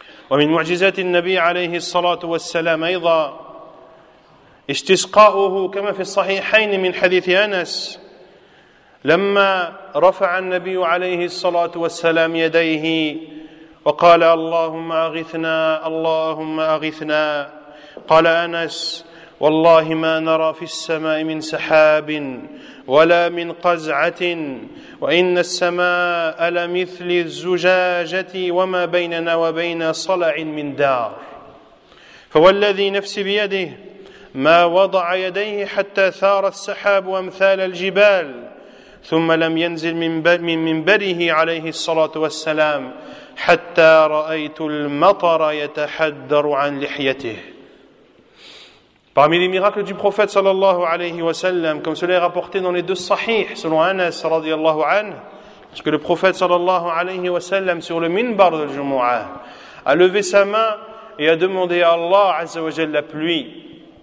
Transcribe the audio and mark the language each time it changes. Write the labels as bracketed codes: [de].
[ar] Wa min mu'jizati an-nabi alayhi salatu wa salam ayda istisqa'uhu kama fi as-sahihayn min hadith Anas lamma rafa'a an-nabi alayhi salatu wa salam yadayhi وقال اللهم أغثنا اللهم أغثنا. قال أنس: والله ما نرى في السماء من سحاب ولا من قزعة، وإن السماء لمثل الزجاجة وما بيننا وبين صلع من دار، فوالذي نفسي بيده ما وضع يديه حتى ثار السحاب أمثال الجبال، ثم لم ينزل من منبره عليه الصلاة والسلام حتى رأيت المطر يتحدر عن لحيته. [fr] Parmi les miracles du prophète sallallahu alayhi wa sallam, comme cela est rapporté dans les deux sahih selon Anas radiyallahu anhu, parce que le prophète sallallahu alayhi wa sallam sur le minbar de Jumu'ah a levé sa main et a demandé à Allah azza wa jalla la pluie.